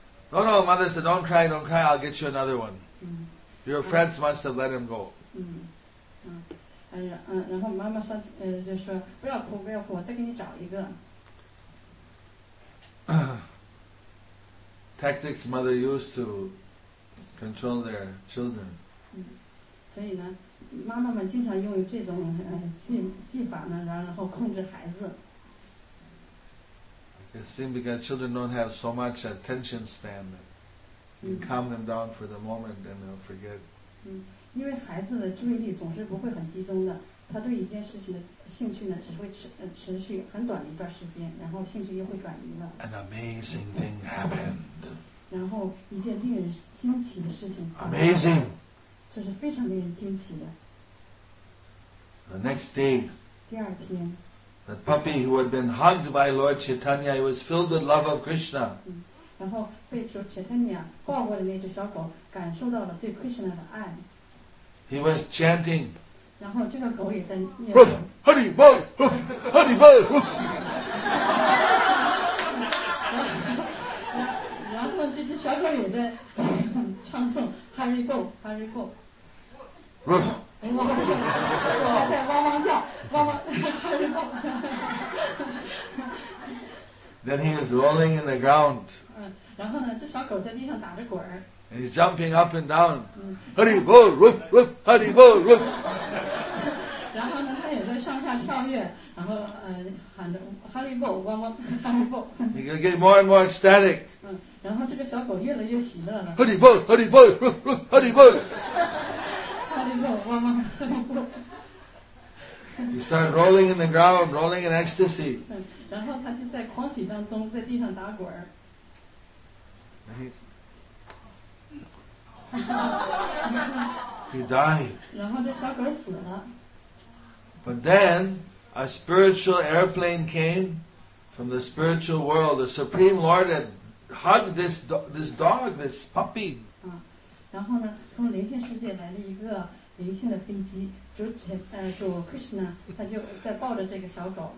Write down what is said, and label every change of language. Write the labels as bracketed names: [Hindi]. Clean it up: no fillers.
[English] ？No, no, mother said, "Don't cry, don't cry. I'll get you another one." Your friends must have let him go. [Chinese] 然后妈妈上就说不要哭不要哭，我再给你找一个。 [English] Tactics mother used to control their children. [Chinese] 所以呢，妈妈们经常用这种技法呢，然后控制孩子。 [English] It seems because children don't have so much attention span, you calm them down for the moment and they'll forget. [Chinese] 因为孩子的注意力总是不会很集中的，他对一件事情的兴趣呢，只会持续很短的一段时间，然后兴趣又会转移了。 [English] An amazing thing happened. [Chinese] 然后一件令人惊奇的事情。 [English] Amazing. [Chinese] 这是非常令人惊奇的。 [English] The next day. [Chinese] 第二天。 [English] The puppy who had been hugged by Lord Chaitanya, he was filled with love of Krishna. [Chinese] 然后被主 Chaitanya 抱过的那只小狗，感受到了对 Krishna 的爱。 [English] He was chanting. [Chinese] 然后这个狗也在念。 [English] Honey boy, honey boy. [Chinese] 然后这只小狗也在唱诵 Honey boy, honey boy. 然后还在汪汪叫，汪汪 Honey boy. [English] Then he is rolling in the ground. [Chinese] 然后呢，这小狗在地上打着滚。 [English] And he's jumping up and down. Hari bol, roof, roof, hari bol, roof. [Chinese] 然后呢，他也在上下跳跃，然后喊着 Hari bol, 汪汪 Hari bol. [English] He can get more and more ecstatic. [Chinese] 然后这个小狗越来越喜乐了。 [English] Hari bol, hari bol, roof, roof, hari bol. [Chinese] Hari bol, 汪汪 Hari [English] bol. He started rolling in the ground, rolling in ecstasy. [Chinese] 然后他就在狂喜当中在地上打滚儿。 [English] He died. [Chinese] 然后这小狗死了。 [English] But then a spiritual airplane came from the spiritual world. The Supreme Lord had hug this this dog, this puppy. [Chinese] 然后呢，从灵性世界来了一个灵性的飞机，主 Krishna 他就在抱着这个小狗。